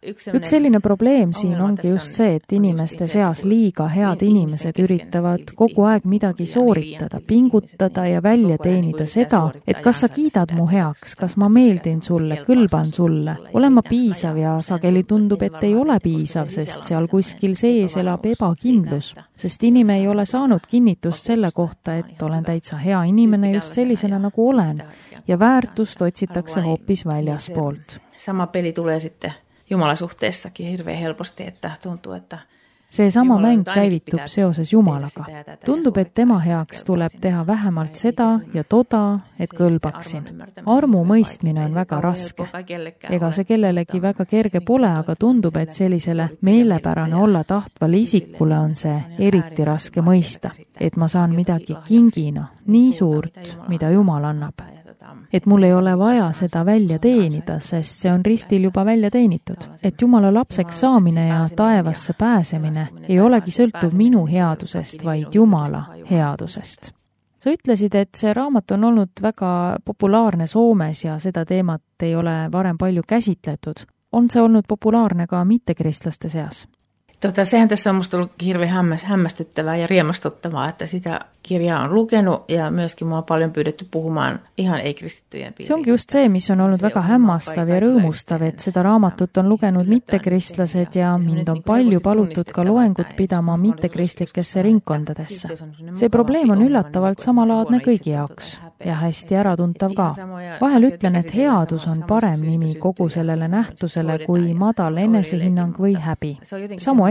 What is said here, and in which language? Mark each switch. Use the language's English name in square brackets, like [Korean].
[Estonian] Üks selline probleem siin ongi just see, et inimeste seas liiga head inimesed üritavad kogu aeg midagi sooritada, pingutada ja välja teenida seda, et kas sa kiidad mu heaks, kas ma meeldin sulle, kõlban sulle, olen ma piisav ja sageli tundub, et ei ole piisav, sest seal kuskil sees elab ebakindlus, sest inime ei ole saanud kinnitust selle kohta, et olen täitsa hea inimene just sellisena nagu olen ja väärtust otsitakse hoopis väljas poolt. [Finnish] Sama peli tulee sitten Jumala suhteessakin hirveän helposti, että tuntuu, että [Estonian] see sama mäng käivitub seoses Jumalaga. Tundub, et tema heaks tuleb teha vähemalt seda ja toda, et kõlbaksin. Armu mõistmine on väga raske. Ega see kellelegi väga kerge pole, aga tundub, et sellisele meelepärane olla tahtvale isikule on see eriti raske mõista, et ma saan midagi kingina, nii suurt, mida Jumal annab. Et mul ei ole vaja seda välja teenida, sest see on ristil juba välja teenitud. Et Jumala lapseks saamine ja taevasse pääsemine ei olegi sõltuv minu headusest, vaid Jumala headusest. Sa ütlesid, et see raamat on olnud väga populaarne Soomes ja seda teemat ei ole varem palju käsitletud. On see olnud populaarne ka mittekristlaste seas? [Finnish] Sehän tässä on musta ollut hirveän hämmästyttävää ja riemastuttavaa, että sitä kirjaa on lukenut ja myöskin mua on paljon pyydetty puhumaan ihan ei-kristittyjen piiriin. [Estonian] Se onkin just see, mis on ollut väga hämmastav ja rõõmustav, et seda raamatut on lukenud mittekristlased ja mind on palju palutud ka loengut pidama mittekristlikesse ringkondadesse. See probleem on üllatavalt samalaadne kõigi jaoks ja hästi ära tuntav ka. Vahel ütlen, et headus on parem nimi kogu sellele nähtusele kui madal enesehinnang või häbi. Samu